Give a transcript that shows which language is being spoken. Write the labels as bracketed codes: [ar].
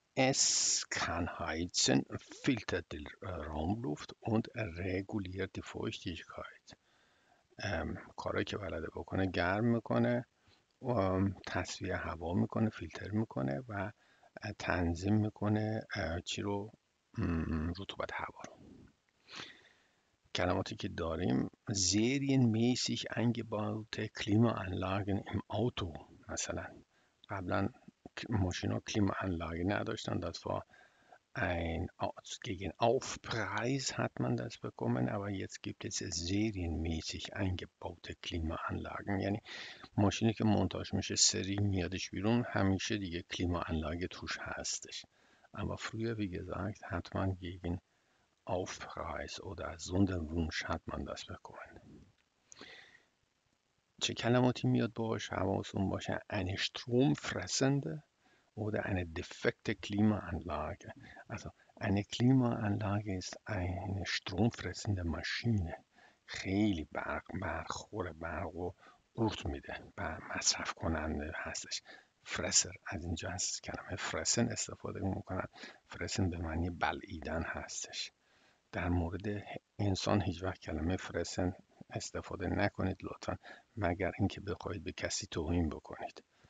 [de] Es kann heizen, filtert die Raumluft und reguliert die Feuchtigkeit. [fa] کاری که بلده بکنه گرم میکنه، تصفیه هوا میکنه، فیلتر میکنه و تنظیم میکنه چی رو؟ رطوبت هوا رو. کلماتی که داریم [de] serienmäßig eingebaute Klimaanlagen im Auto. [fa] مثلا قبلا ماشینا Klimaanlage نداشتن. [de] Das war ein gegen Aufpreis hat man das bekommen, aber jetzt gibt es serienmäßig eingebaute Klimaanlagen. [fa] یعنی ماشینی که مونتاژ میشه سری میادش بیرون، همیشه دیگه Klimaanlage توش هستش. [de] Aber früher wie gesagt hat man gegen Aufpreis oder Sonderwunsch hat man das bekommen. [fa] چه کلماتی میاد باش؟ حواستون باشه. [de] Eine stromfressende oder eine defekte Klimaanlage. Also eine Klimaanlage ist eine stromfressende Maschine. [fa] خیلی برق برخوره، برق رو قورت میده و مصرف کننده هستش. فرسر از اینجا هست، کلمه فرسن استفاده میکنن. فرسن به معنی بلعیدن هستش. در مورد انسان هیچ وقت کلمه فرسن استفاده نکنید لطفا، مگر اینکه بخواید به کسی توهین بکنید.